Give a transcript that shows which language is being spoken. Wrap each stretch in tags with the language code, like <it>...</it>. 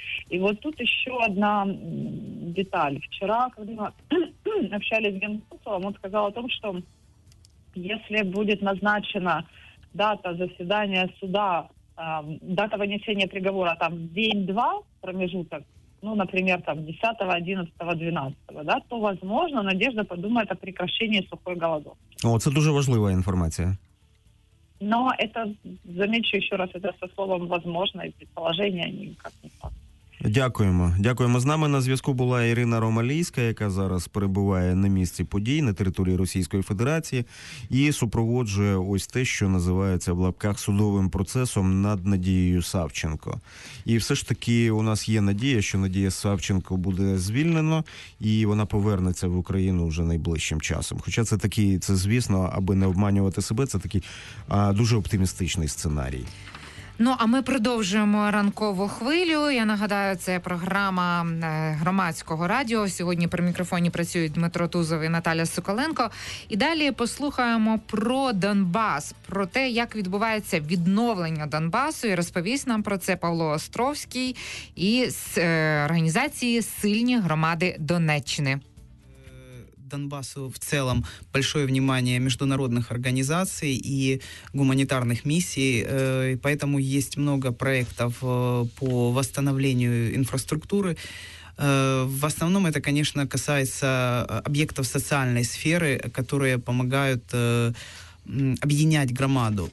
<ru>И вот тут еще одна деталь. Вчера, когда мы общались с генконсулом, он сказал о том, что если будет назначена дата заседания суда, дата вынесения приговора, там, день-два промежуток, ну, например, там, 10-го, 11-го, 12-го, да, то, возможно, Надежда подумает о прекращении сухой голодовки. О, это</ru> <uk>дуже важлива</uk> <ru>информация. Но это, замечу еще раз, это со словом «возможно» и предположение, они никак не факт.</ru> <uk>Дякуємо. Дякуємо. З нами на зв'язку була Ірина Ромалійська, яка зараз перебуває на місці подій на території Російської Федерації і супроводжує ось те, що називається в лапках судовим процесом над Надією Савченко. І все ж таки у нас є надія, що Надія Савченко буде звільнена і вона повернеться в Україну вже найближчим часом. Хоча це звісно, аби не обманювати себе, це такий дуже оптимістичний сценарій. Ну, а ми продовжуємо ранкову хвилю. Я нагадаю, це програма громадського радіо. Сьогодні при мікрофоні працюють Дмитро Тузов і Наталя Соколенко. І далі послухаємо про Донбас, про те, як відбувається відновлення Донбасу. І розповість нам про це Павло Островський із організації «Сильні громади Донеччини».</uk> <ru>Донбасу в целом большое внимание международных организаций и гуманитарных миссий, поэтому есть много проектов по восстановлению инфраструктуры. В основном это, конечно, касается объектов социальной сферы, которые помогают объединять громаду.</ru>